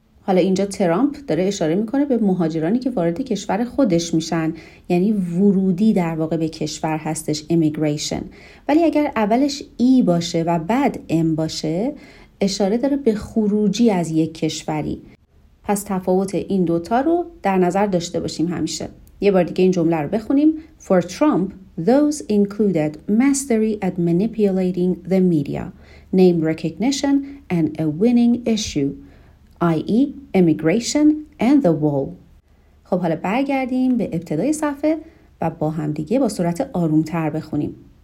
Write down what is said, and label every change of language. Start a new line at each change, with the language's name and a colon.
Persian: حالا اینجا ترامپ داره اشاره میکنه به مهاجرانی که وارد کشور خودش میشن، یعنی ورودی در واقع به کشور هستش immigration. ولی اگر اولش E باشه و بعد M باشه اشاره داره به خروجی از یک کشوری. پس تفاوت این دوتا رو در نظر داشته باشیم همیشه. یه بار دیگه این جمله رو بخونیم.
English: For Trump, those included mastery at manipulating the media, name recognition and a winning issue, i.e. immigration and the wall.
Persian: خب حالا برگردیم به ابتدای صفحه و با هم دیگه با صورت آروم‌تر بخونیم.